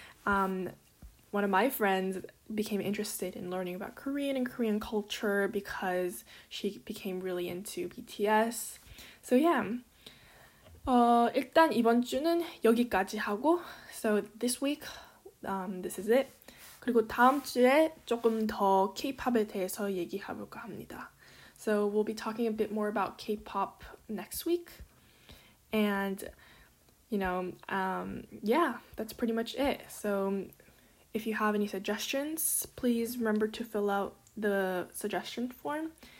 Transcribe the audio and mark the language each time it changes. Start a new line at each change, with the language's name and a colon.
English: One of my friends became interested in learning about Korean and Korean culture because she became really into BTS. So yeah,
Korean: 일단 이번 주는 여기까지 하고,
English: so this week, this is it.
Korean: 그리고 다음 주에 조금 더 K-pop에 대해서 얘기해볼까 합니다.
English: So we'll be talking a bit more about K-pop next week. And you know, yeah, that's pretty much it. So if you have any suggestions, please remember to fill out the suggestion form.